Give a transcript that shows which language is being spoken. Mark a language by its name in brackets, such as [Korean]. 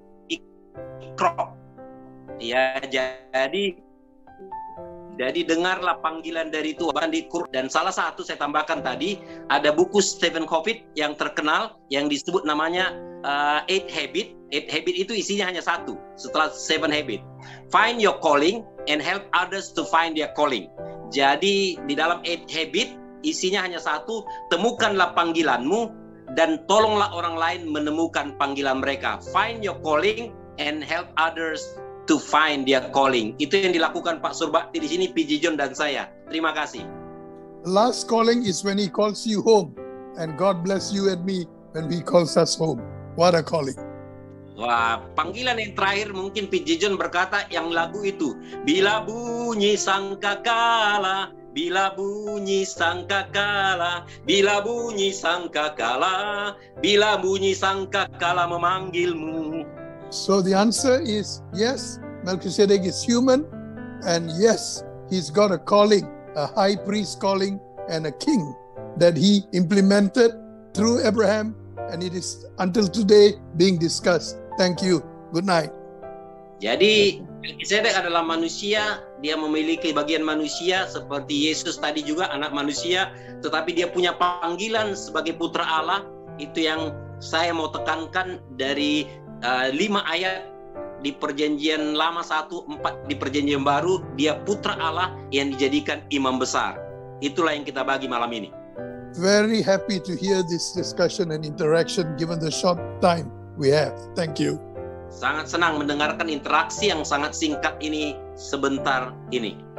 [Indonesian] Ikra. Ya, jadi dengarlah panggilan dari Tuhan. Dan salah satu saya tambahkan tadi, ada buku Stephen Covey yang terkenal, yang disebut namanya 8 Habit. 8 Habit itu isinya hanya satu, setelah 7 Habit. [English] Find your calling and help others to find their calling. [Indonesian] Jadi di dalam 8 Habit isinya hanya satu, temukanlah panggilanmu dan tolonglah orang lain menemukan panggilan mereka. [English] Find your calling and help others to find their calling. [Indonesian] Itu yang dilakukan Pak Surbakti di sini, PJ John dan saya. Terima kasih. [English] Last calling is when he calls you home. And God bless you and me when he calls us home. What a calling. [Indonesian] Wah, panggilan yang terakhir mungkin PJ John berkata yang lagu itu. Bila bunyi sangkakala, bila bunyi sangkakala, bila bunyi sangkakala, bila bunyi sangkakala memanggilmu. [English] So the answer is yes, Melchizedek is human, and yes, he's got a calling, a high priest calling and a king that he implemented through Abraham, and it is until today being discussed. Thank you. Good night. [Indonesian] Jadi Melchizedek adalah manusia, dia memiliki bagian manusia seperti Yesus tadi juga, anak manusia, tetapi dia punya panggilan sebagai putra Allah. Itu yang saya mau tekankan dari 5 ayat di perjanjian lama, 1-4 di perjanjian baru. Dia putra Allah yang dijadikan imam besar. Itulah yang kita bagi malam ini. [English] Very happy to hear this discussion and interaction given the short time we have. Thank you. [Indonesian] Sangat senang mendengarkan interaksi yang sangat singkat ini sebentar ini.